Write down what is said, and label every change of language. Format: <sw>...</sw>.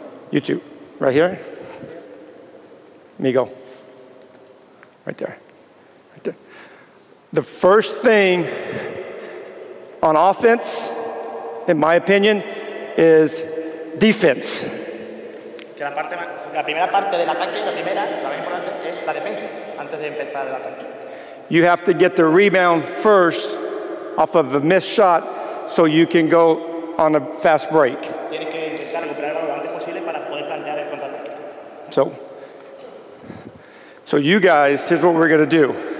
<en>You two, right here. Migo, right there. The first thing on offense, in my opinion, is defense.</en> <es>Que la parte, la primera parte del ataque, la primera, la más importante es la defensa antes de empezar el ataque.</es> <en>You have to get the rebound first off of a missed shot so you can go on a fast break.</en> <es>Tienes que intentar recuperar lo antes posible para poder plantear el contraataque.</es> <en>So you guys, here's what we're going to do.</en>